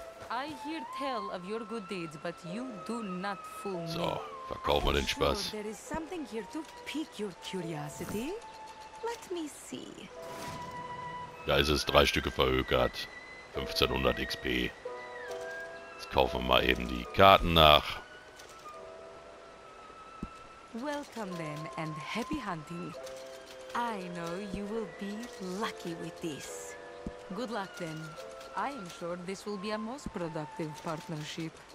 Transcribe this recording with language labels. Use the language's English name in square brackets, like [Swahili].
[English] I hear tell of your good deeds, but you do not fool me. [German] So, verkauf mal den Spaß. [English] Sure, there is something here to pique your curiosity. Let me see. [German] Da ist es, drei Stücke verhökert. 1500 XP. Jetzt kaufen wir mal eben die Karten nach. [English] Welcome then and happy hunting. I know you will be lucky with this. Good luck then. I am sure this will be a most productive partnership.